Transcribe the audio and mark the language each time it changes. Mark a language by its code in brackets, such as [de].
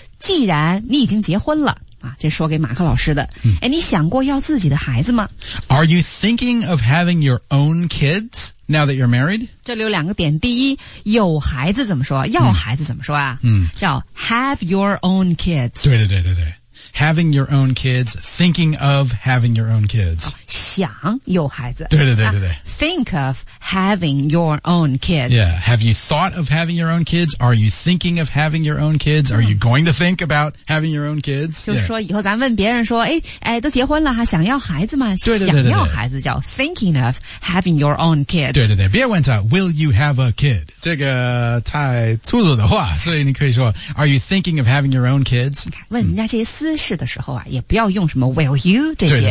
[zh] 既然你已经结婚了啊这说给马克老师的、嗯。哎你想过要自己的孩子吗 [en] ?Are you thinking of having your own kids? Now that you're married? [zh] 这里有两个点。第一,有孩子怎么说?要孩子怎么说啊? 嗯。叫 [en] have your own kids. [zh] 对对对对对。 [en] Having your own kids, thinking of having your own kids.、 [zh] 哦、想有孩子。对对对对对。 [en] Think of having your own kids. Yeah. Have you thought of having your own kids? Are you thinking of having your own kids?、嗯、Are you going to think about having your own kids? [zh] 就是说以后咱问别人说哎都结婚了还想要孩子吗对对对对对想要孩子叫 [en] thinking of having your own kids. [zh] 对对对。别问他 [en] will you have a kid? [zh] 这个太粗鲁的话所以你可以说 [en] are you thinking of having your own kids? [zh] 问人家这些私事的时候啊也不要用什么 [en] will you [zh] 这些